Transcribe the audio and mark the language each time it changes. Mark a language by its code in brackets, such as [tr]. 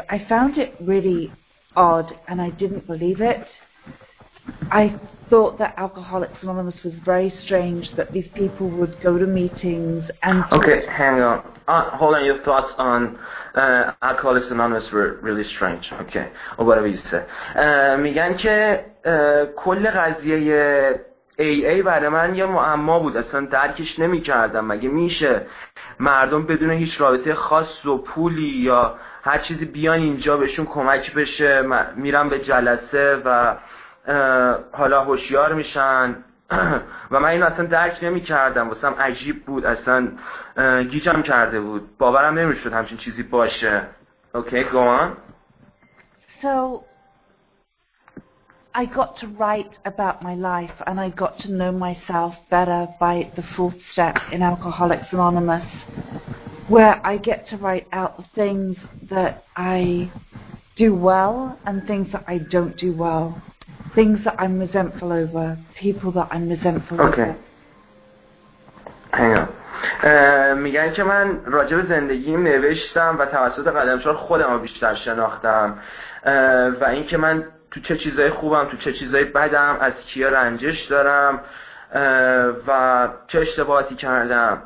[en] I found it really odd and I didn't believe it. I thought that Alcoholics Anonymous was very strange, that these people would go to meetings and... Okay, hang on. Hold on, your thoughts on Alcoholics Anonymous were really strange. Okay, or whatever you said. [fa] میگن که کل قضیه AA برای من یه معما بود. اصلا درکش نمی کردم. مگه میشه مردم بدون هیچ رابطه خاص و پولی یا هر چیزی بیان اینجا بهشون کمک بشه، میرم به جلسه و حالا هوشیار میشن و من اینو اصلا درک نمی کردم، واسم عجیب بود، اصلا گیجم کرده بود، باورم نمی شد همچین چیزی باشه. [en] Okay, go on. So I got to write about my life and I got to know myself better by the fourth step in Alcoholics Anonymous, where I get to write out the things that I do well and things that I don't do well. Things that I'm resentful over, people that I'm resentful over. Hang on. [fa] میگن که من راجع به زندگیم نوشتم و توسط قدمشار خودم رو بیشتر شناختم و این که من تو چه چیزای خوبم، تو چه چیزای بدم، از کیا رنجش دارم و چه اشتباهاتی کردم.